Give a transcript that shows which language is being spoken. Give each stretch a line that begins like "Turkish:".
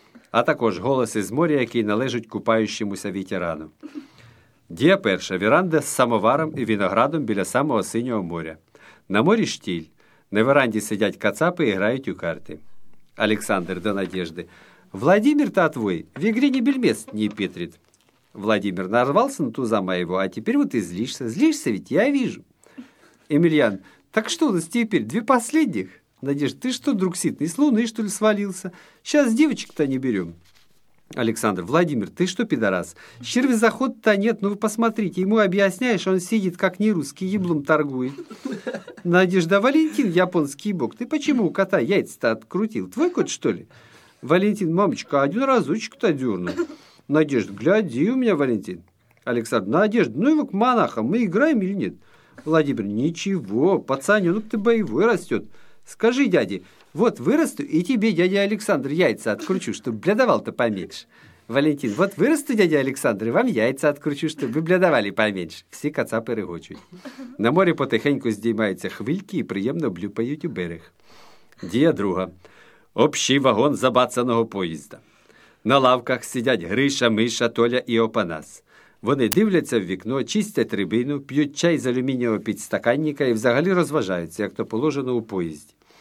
Ukrainian: А також голоси з моря, які належать купаючомуся ветерану. Дія перша. Веранда з самоваром і виноградом біля самого синього моря. На морі штіль. На веранді сидять кацапи і грають у карти. Олександр до Надежди.
Russian: Владимир, та твой, в ігрі не більмест, не петрит. Владимир, нарвался на туза моего, а тепер вот и злишься. Злишься ведь, я вижу. Емельян. Так что у нас теперь, две последних? Надежда, ты что, друг ситный, с луны, что ли, свалился? Сейчас девочек-то не берем. Александр, Владимир, ты что, пидорас? Червь заход-то нет, ну вы посмотрите. Ему объясняешь, он сидит, как не русский, еблом торгует. Надежда, Валентин, японский бог, ты почему у кота яйца-то открутил? Твой кот, что ли? Валентин, мамочка, один разочек-то дернул. Надежда, гляди у меня, Валентин. Александр, Надежда, ну его к монахам, мы играем или нет? Владимир, ничего, пацаненок ты боевой растет. Скажи, дядя, вот вырасту, и тебе, дядя Александр, яйца откручу, чтобы блядовал-то поменьше. Валентин, вот вырасту, дядя Александр, и вам яйца откручу, чтобы вы блядовали поменьше. Все кацапы рыгочут.
Ukrainian: На море потихоньку здіймаються хвильки и приємно блюпають у берег. Дія друга. Общий вагон забацаного поїзда. На лавках сидять Гриша, Миша, Толя і Опанас. Вони дивляться в вікно, чистять рибину, п'ють чай з алюмінієвого підстаканника і взагалі розважаються, як то положено у поїзді.